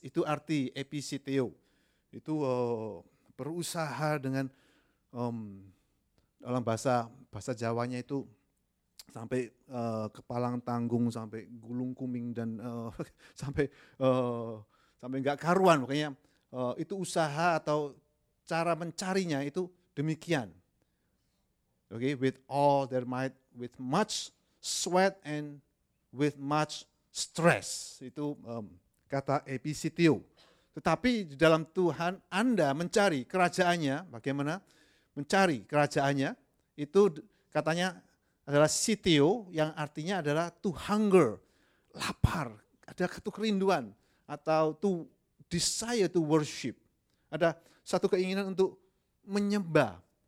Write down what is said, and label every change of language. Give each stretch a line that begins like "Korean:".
Indonesian: Itu arti episitio, itu berusaha dengan dalam bahasa Jawanya itu sampai kepalang tanggung, sampai gulung kuming, dan sampai enggak karuan, makanya itu usaha atau cara mencarinya itu demikian.
English: Okay, with all their might, with much sweat and with much stress.
Indonesian: Itu kata episitio. Tetapi di dalam Tuhan, Anda mencari kerajaannya, bagaimana? Mencari kerajaannya, itu katanya adalah sitio, yang artinya adalah
English: to hunger,
Indonesian: lapar, ada satu kerinduan, atau
English: to desire to worship,
Indonesian: ada satu keinginan untuk menyembah.